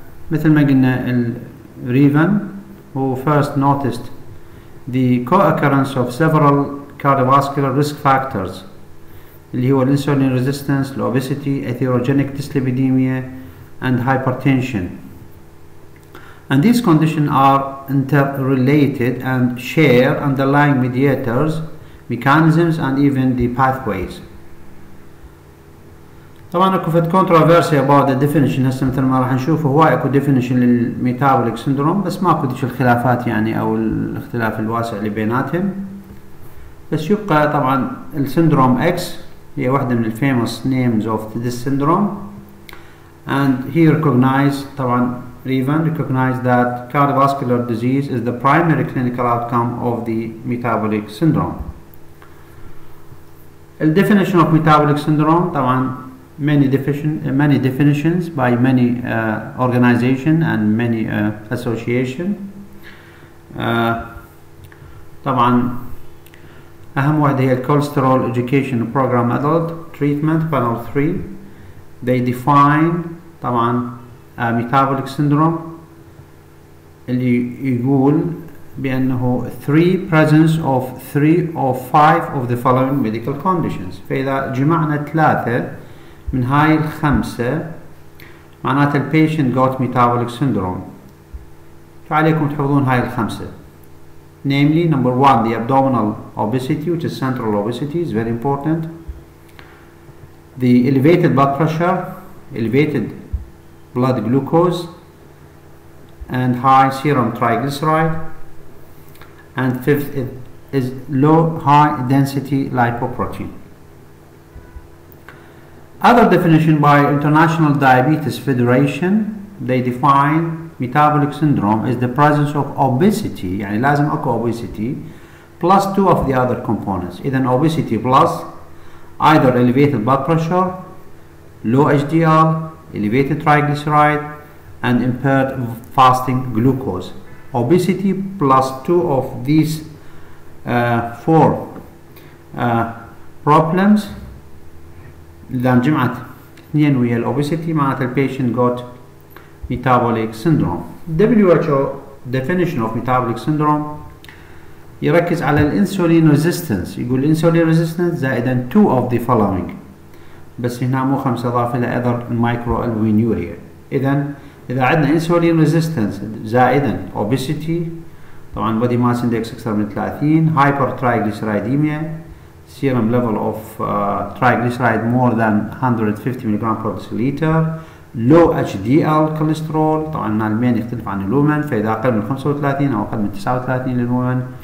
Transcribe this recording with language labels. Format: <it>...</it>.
<ar>مثل ما قلنا</ar> <en>Revan who first noticed the co-occurrence of several cardiovascular risk factors</en> <ar>اللي هو</ar> <en>insulin resistance, obesity, atherogenic dyslipidemia and hypertension. And these conditions are interrelated and share underlying mediators, mechanisms and even the pathways.</en> <ar>طبعا اكو فد</ar> <en>controversy about the definition.</en> <ar>هسه مثل ما راح نشوف هو اكو definition للميتابوليك سندروم، بس ما اكو ديش الخلافات يعني او الاختلاف الواسع اللي بيناتهم. بس يبقى طبعا السندروم اكس هي واحدة من الفيموس</ar> <en>names of this syndrome. And he recognized طبعا Revan recognized that cardiovascular disease is the primary clinical outcome of the metabolic syndrome. The definition of metabolic syndrome طبعا many definitions by many organization and many association.</en> <ar>طبعا اهم واحدة هي الكوليسترول education program adult treatment panel 3.</ar> <en>They define طبعا metabolic syndrome</en> <ar>اللي يقول بانه</ar> <en>3 presence of 3 or 5 of the following medical conditions.</en> <ar>فاذا جمعنا ثلاثة من هاي الخمسة معناته ال</ar> <en>patient got metabolic syndrome.</en> <ar>فعليكم تحفظون هاي الخمسة،</ar> <en>namely number one the abdominal obesity which is central obesity is very important, the elevated blood pressure, elevated blood glucose and high serum triglyceride, and fifth it is low high density lipoprotein. Other definition by International Diabetes Federation, they define metabolic syndrome as the presence of obesity,</en> <ar>يعني لازم اكو</ar> <en>obesity, plus two of the other components. اذا obesity plus either elevated blood pressure, low HDL, elevated triglyceride, and impaired fasting glucose. Obesity plus two of these four problems.</en> <ar>إذا جمعت اثنين ويا الـ obesity معناتها الـ</ar> <en>patient got metabolic syndrome. WHO definition of metabolic syndrome</en> <ar>يركز على</ar> <en>الـ insulin resistance، يقول insulin resistance زائدا two of the following،</en> <ar>بس هنا مو خمسة أضاف إلى</ar> <en>other microalbuminuria.</en> <ar>إذا عندنا</ar> <en>insulin resistance زائدا obesity طبعا body mass index أكثر من 30، hypertriglyceridemia serum level of triglyceride more than 150 milligram per deciliter, low HDL cholesterol</en> <ar>طبعا المين يختلف عن الومن، فإذا أقل من 35 أو أقل من 39 للومن</ar>